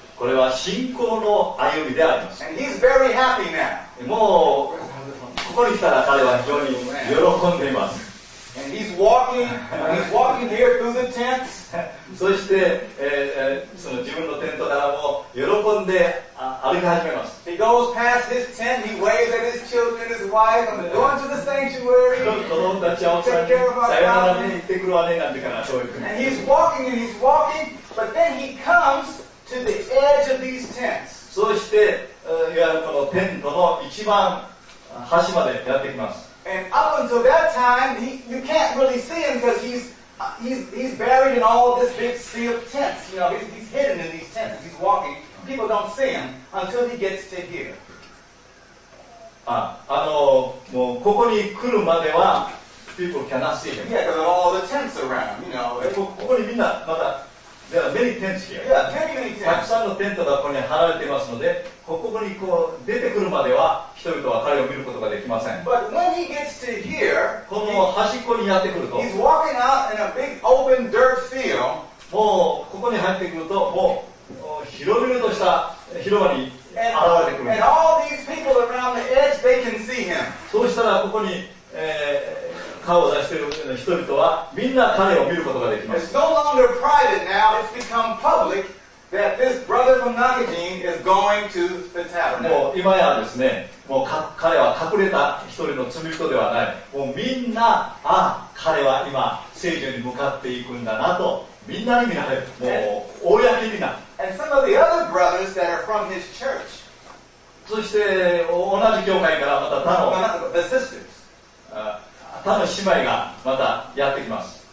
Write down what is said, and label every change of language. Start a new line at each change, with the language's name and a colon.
Japanese: これは信仰の歩みであります。
English: And he's very happy now.
Japanese: もうここに来たら彼は非常に喜んでいます。
English: And he's walking, he's walking here through the tents.
Japanese: そして、その自分のテントからも喜んで歩き始めます。
English: He goes past his tent, he waves at his children, his wife, I'm going to the sanctuary.
Japanese: 子供たちはお世話になって、さよならに行ってくるわね、なんていうかな、そういう。
English: And he's walking and he's walking, but then he comes. To the edge of these tents.
Japanese: そして、いわゆるこのテントの一番端までやってきます。
English: And up until that time, you can't really see him because he's he's buried in all this big steel tents. You know, he's hidden in these tents. He's walking. People don't see him until he gets to here.
Japanese: もうここに来るまでは
English: people cannot see him. Yeah, because all the tents around, you know.
Japanese: ここにみんなまだ
English: There are many tents here. Yeah, many, many tents.
Japanese: たくさんのテントがここに張られていますので、ここにこう出てくるまでは人々は彼を見ることができません。
English: But when he gets to here,
Japanese: この端っこにやってくると、
English: he's walking out in a big open dirt field.
Japanese: もうここに入ってくると、もう広々とした広場に現れてくる。
English: And all these people around the edge, they can see him.
Japanese: そうしたらここに、顔を出している人々はみんな彼を見ることができます。
English: It's no longer private now. It's become public that this brother from Nagajin is going to the tabernacle.
Japanese: もう今やですね、もう彼は隠れた一人の罪人ではない。もうみんな、あ、彼は今聖所に向かっていくんだなとみんなに見られる。もう公にみんな。
English: And some of the other brothers that are from his church.
Japanese: そして同じ教会からまた他の。
English: The sisters.
Japanese: 他の姉妹がまたやってきます。